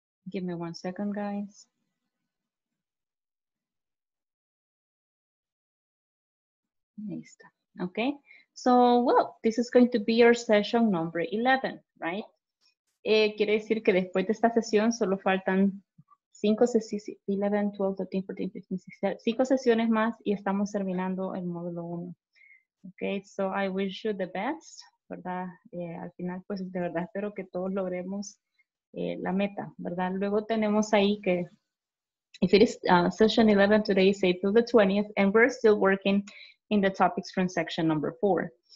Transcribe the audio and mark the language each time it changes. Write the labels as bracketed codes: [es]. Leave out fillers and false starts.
[en] Give me 1 second, guys. Okay, so well, this is going to be your session number 11, right? [es] Quiere decir que después de esta sesión solo faltan 5 sesiones más y estamos terminando el módulo 1. [en] Okay, so I wish you the best, [es] ¿verdad? Al final, pues de verdad espero que todos logremos la meta, ¿verdad? Luego tenemos ahí que, [en] if it is session 11, today is April the 20th, and we're still working in the topics from section number 4.